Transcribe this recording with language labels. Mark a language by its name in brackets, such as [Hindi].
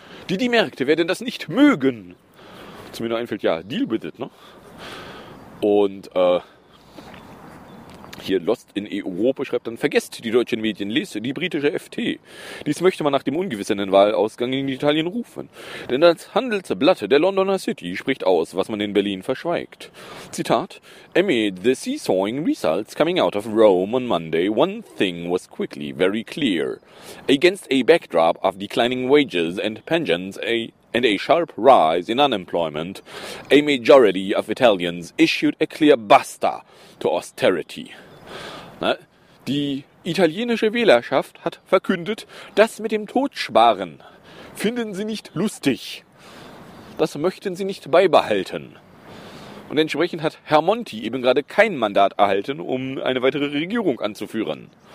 [German] Die Märkte werden das nicht mögen. Zu mir nur einfällt, ja, [English] deal with it, [German] ne? Und hier Lost in Europa schreibt dann, vergesst die deutschen Medien, lest die britische FT. Dies möchte man nach dem ungewissen Wahlausgang in Italien rufen. Denn das Handelsblatt der Londoner City spricht aus, was man in Berlin verschweigt. [English] Zitat, amid the seesawing results coming out of Rome on Monday, one thing was quickly very clear. Against a backdrop of declining wages and pensions, and a sharp rise in unemployment, a majority of Italians issued a clear basta to austerity. [German] Na, die italienische Wählerschaft hat verkündet, das mit dem Totsparen finden sie nicht lustig. Das möchten sie nicht beibehalten. Und entsprechend hat Herr Monti eben gerade kein Mandat erhalten, um eine weitere Regierung anzuführen.